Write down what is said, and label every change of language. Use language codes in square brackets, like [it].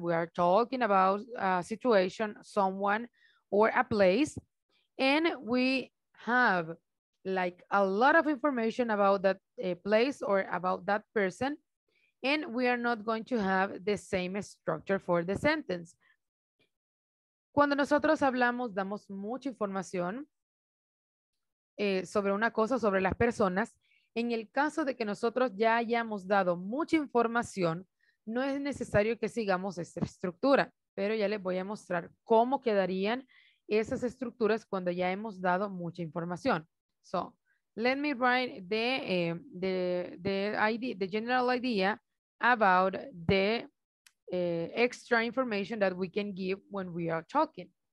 [en] We are talking about a situation, someone, or a place, and we have like a lot of information about that place or about that person, and we are not going to have the same structure for the sentence. [es] Cuando nosotros hablamos, damos mucha información sobre una cosa, sobre las personas. En el caso de que nosotros ya hayamos dado mucha información, no es necesario que sigamos esta estructura, pero ya les voy a mostrar cómo quedarían esas estructuras cuando ya hemos dado mucha información. [en] So, let me write the general idea about the extra information that we can give when we are talking.